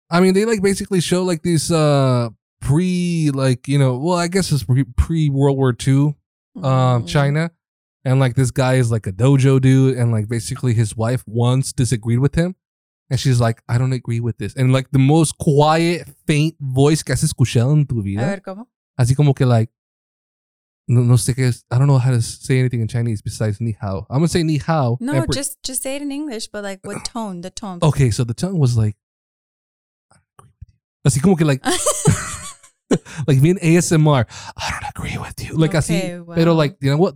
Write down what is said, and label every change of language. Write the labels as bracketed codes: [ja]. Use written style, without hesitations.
[en] I mean, they like basically show like these pre-World War II China. And like this guy is like a dojo dude. And like basically his wife once disagreed with him. And she's like, I don't agree with this. And like the most quiet, faint voice [es] que has escuchado en tu vida. A ver, ¿cómo? Así como que like, no sé qué es. [en] I don't know how to say anything in Chinese besides ni hao. I'm going to say ni hao. No, just say it in English, but like what tone, the tone. Okay, so the tone was like, [es] así como que [en] like, like me in ASMR, I don't agree with you. Like, okay, así, well. Pero like, you know what?